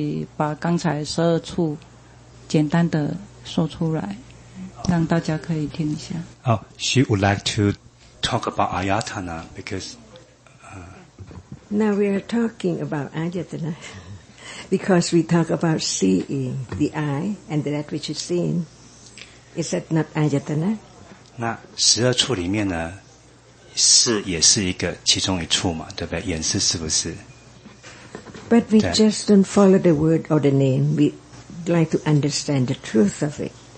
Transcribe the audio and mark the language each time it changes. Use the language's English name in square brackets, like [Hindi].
[Chinese] 对，因为无明刚刚有提过嘛，所以我们不知道什么是眼识嘛，因为无明不会知道，所以那我们回到这一刻，那什么是眼识？这样来了解十二因缘。你刚好像问问题，是不是？啊，对，那个我还是希望老师可以把刚才十二处。简单的说出来，让大家可以听一下。 [English] Oh, she would like to talk about ayatana because now we are talking about ayatana because we talk about seeing the eye and that which is seen. Is that not ayatana? [Chinese] 那十二处里面呢，视也是一个其中一处嘛，对不对？眼视是不是 [English] ？But we just don't follow the word or the name. We like to understand the truth of it.